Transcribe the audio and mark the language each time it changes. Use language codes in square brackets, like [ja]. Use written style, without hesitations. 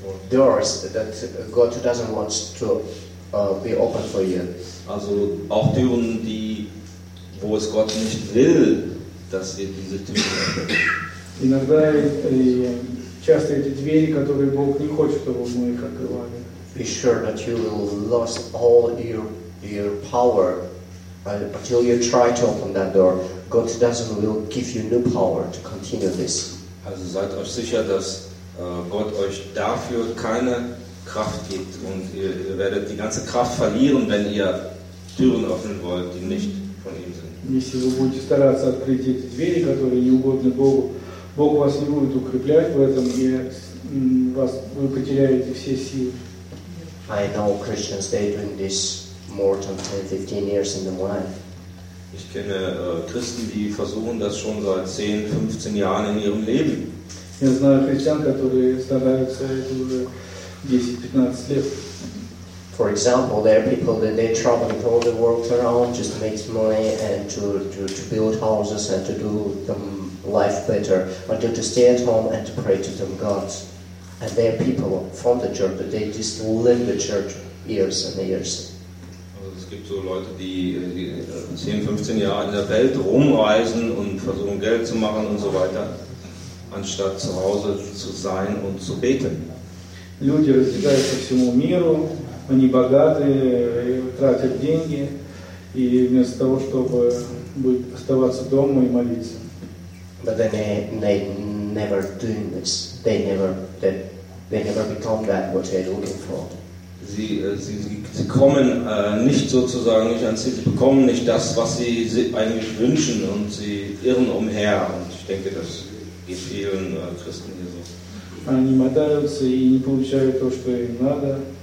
[en] Doors that God doesn't want to be open for you. [de] Also auch Türen, die, wo es Gott nicht will, dass wir diese Türen öffnen. [ru] Иногда часто эти двери, которые Бог не хочет, чтобы мы их открывали. [en] Be sure that you will lose all your power until you try to open that door. God doesn't will give you new power to continue this. [de] Also seid euch sicher, dass Gott euch dafür keine Kraft gibt und ihr werdet die ganze Kraft verlieren, wenn ihr Türen öffnen wollt, die nicht von ihm sind. [ru] Если вы будете стараться открыть эти двери, которые не угодны Богу, Бог вас не будет укреплять в этом, и вы потеряете все силы. [en] I know Christians, they've been this more than 10-15 years in the life. [de] Ich kenne Christen, die versuchen das schon seit 10-15 Jahren in ihrem Leben. [ru] Я знаю христиан, которые стараются это уже 10-15 лет. [en] For example, there are people that they travel all the world around just to make money and to build houses and to do them life better, but to stay at home and to pray to them God. And there are people from the church that they just live the church years and years. [de] Also, es gibt so Leute, die 10-15 Jahre in der Welt rumreisen und versuchen Geld zu machen und so weiter, anstatt zu Hause zu sein und zu beten. [ru] Люди разъезжают по всему миру. Они богатые, тратят деньги, и вместо того, чтобы оставаться дома и молиться. [en] But they never do this. They never become that what they're looking for. [de] Sie kommen nicht sozusagen nicht ans Ziel. Sie bekommen nicht das, was sie eigentlich wünschen, und sie irren umher. Und ich denke, das geht vielen Christen hier so. [ru] Они мотаются и не получают то, что им надо.